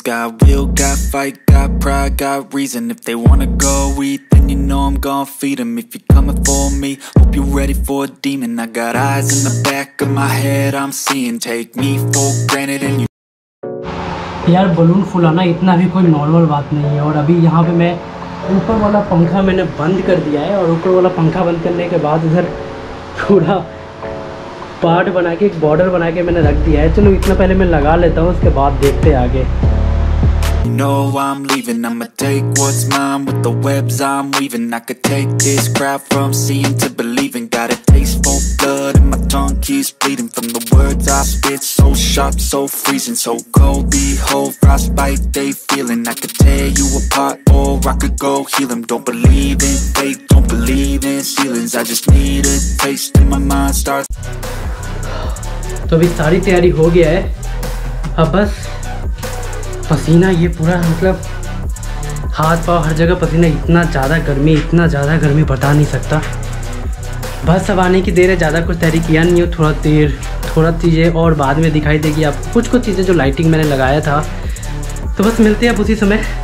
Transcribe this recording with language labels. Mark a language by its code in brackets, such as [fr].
[en] Got will, got fight, got pride, got reason. If they wanna go eat, then you know I'm gonna feed them. If you're coming for me, hope you're ready for a demon. I got eyes in the back of my head, I'm seeing. Take me for granted and you. [hi] यार balloon फुलाना इतना भी कोई normal बात नहीं है। और अभी यहाँ पे मैं ऊपर वाला पंखा मैंने बंद कर दिया है, और ऊपर वाला पंखा बंद करने के बाद इधर थोड़ा पार्ट बना के एक बॉर्डर बना के मैंने रख दिया है। चलो इतना पहले मैं लगा लेता हूँ, उसके बाद देखते हैं आगे। [en] No, I'm leaving. I'ma take what's mine with the webs I'm weaving. I could take this crowd from seeing to believing. Got a taste for blood and my tongue keeps bleeding from the words I spit. So sharp, so freezing, so cold. Behold, frostbite they feeling. I could tear you apart or I could go heal them. Don't believe in fate, don't believe in ceilings. I just need a taste and my mind starts. [hi] तो अभी सारी तैयारी हो गया है, अब बस पसीना ये पूरा मतलब हाथ पाँव हर जगह पसीना, इतना ज़्यादा गर्मी बता नहीं सकता। बस अब आने की देर है, ज़्यादा कुछ तैयारी किया नहीं हो, थोड़ा चीज़ें और बाद में दिखाई देगी आपको, कुछ चीज़ें जो लाइटिंग मैंने लगाया था, तो बस मिलते हैं अब उसी समय।